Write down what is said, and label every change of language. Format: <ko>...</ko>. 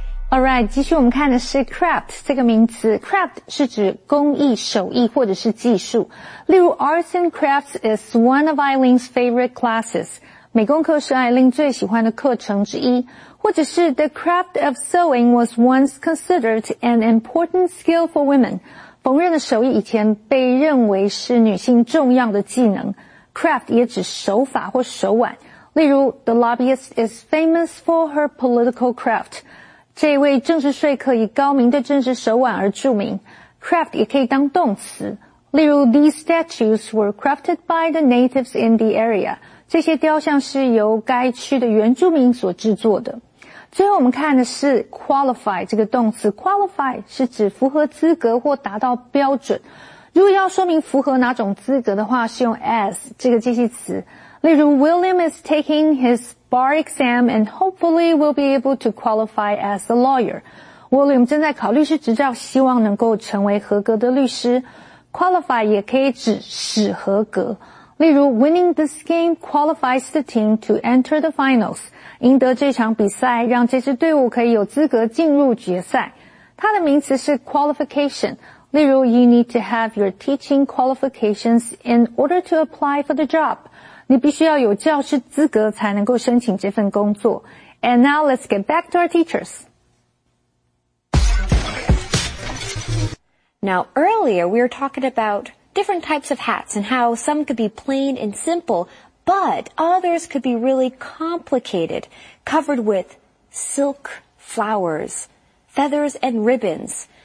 <zh>Alright, 继续我们看的是 craft 这个名词。Craft 是指工艺、手艺或者是技术。例如</zh> <en>arts and crafts is one of Eileen's favorite classes.</en> <zh>美工课是艾琳最喜欢的课程之一。或者是</zh> <en>the craft of sewing was once considered an important skill for women.</en> <zh>缝纫的手艺以前被认为是女性重要的技能。</zh> <en>Craft</en> <zh>也指手法或手腕。例如</zh> <en>the lobbyist is famous for her political craft.</en> <zh>这位政治说客以高明的政治手腕而著名。</zh> <en>Craft</en> <zh>也可以当动词。例如</zh> <en>these statues were crafted by the natives in the area.</en> <zh>这些雕像是由该区的原住民所制作的。最后我们看的是 qualify 这个动词。qualify 是指符合资格或达到标准。如果要说明符合哪种资格的话， 是用 as 这个介系词。例如</zh> <en>William is taking his bar exam and hopefully will be able to qualify as a lawyer.</en> <zh>William 正在考律师执照，希望能够成为合格的律师。 Qualify 也可以指使合格。例如</zh> <en>,winning this game qualifies the team to enter the finals.</en> <zh>赢得这场比赛让这支队伍可以有资格进入决赛。它的名词是 qualification。例如</zh> <en>,you need to have your teaching qualifications in order to apply for the job.</en> <zh>你必须要有教师资格才能够申请这份工作。</zh> <en>And now let's get back to our teachers. Now earlier we were talking about different types of hats and how some could be plain and simple, but others could be really complicated, covered with silk flowers, feathers, and ribbons.</en>